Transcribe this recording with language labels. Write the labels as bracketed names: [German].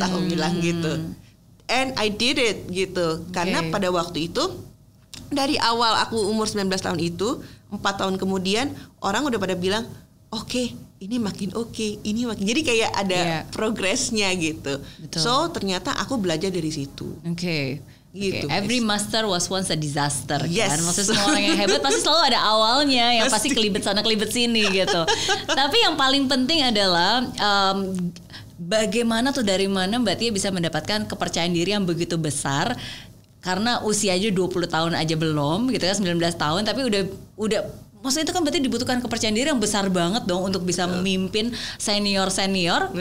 [Indonesian] Aku bilang gitu. [English] And I did it gitu. Okay. [Indonesian] Karena pada waktu itu, dari awal aku umur 19 tahun itu, 4 tahun kemudian, orang udah pada bilang, okay, ini makin okay, ini makin. Jadi kayak ada progresnya gitu. Betul. So ternyata aku belajar dari situ. [English] Okay. Every master was once a disaster. Yes. [Indonesian] Kan? Maksudnya semua orang yang hebat pasti selalu ada awalnya yang pasti kelibet sana kelibet sini gitu. Tapi yang paling penting adalah bagaimana tuh, dari mana Mbak Tia bisa mendapatkan kepercayaan diri yang begitu besar. Karena usianya 20 tahun aja belum gitu kan, 19 tahun tapi udah maksudnya itu kan berarti dibutuhkan kepercayaan diri yang besar banget dong untuk bisa memimpin senior-senior.